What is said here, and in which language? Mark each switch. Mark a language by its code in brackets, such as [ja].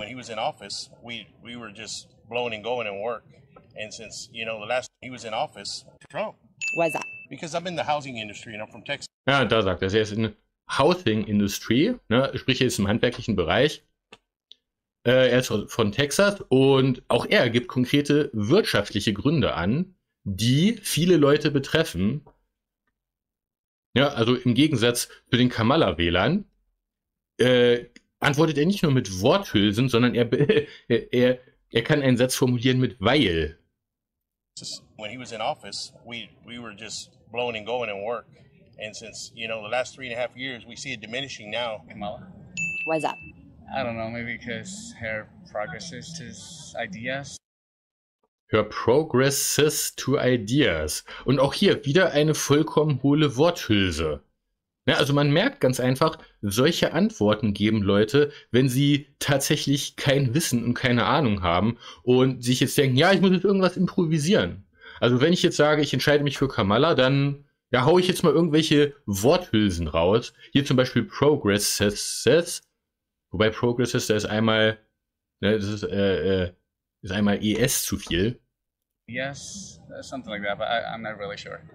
[en] When he was in office, we were just blowing and going in work. And since, you know, the last he was in office, Trump. Why is that? Because I'm in the housing industry and I'm from Texas. [de] Ja, da sagt er, ist [en] in housing industry, [de] ne, sprich er ist im handwerklichen Bereich. Er ist von Texas und auch er gibt konkrete wirtschaftliche Gründe an, die viele Leute betreffen. Ja, also im Gegensatz zu den Kamala-Wählern, antwortet er nicht nur mit Worthülsen, sondern er kann einen Satz formulieren mit weil. [en] When he was in office, we were just blowing and going in work. And since, you know, the last 3.5 years, we see it diminishing now. Kamala. Why is that? I don't know, maybe because her progressist ideas. Her progressist to ideas. [de] Und auch hier wieder eine vollkommen hohle Worthülse. Ja, also man merkt ganz einfach, solche Antworten geben Leute, wenn sie tatsächlich kein Wissen und keine Ahnung haben und sich jetzt denken, ja, ich muss jetzt irgendwas improvisieren. Also wenn ich jetzt sage, ich entscheide mich für Kamala, dann ja, haue ich jetzt mal irgendwelche Worthülsen raus. Hier zum Beispiel progresses, wobei progresses, da ist einmal, ne, das ist einmal ES zu viel. [en] Yes, something like that, but I'm not really sure.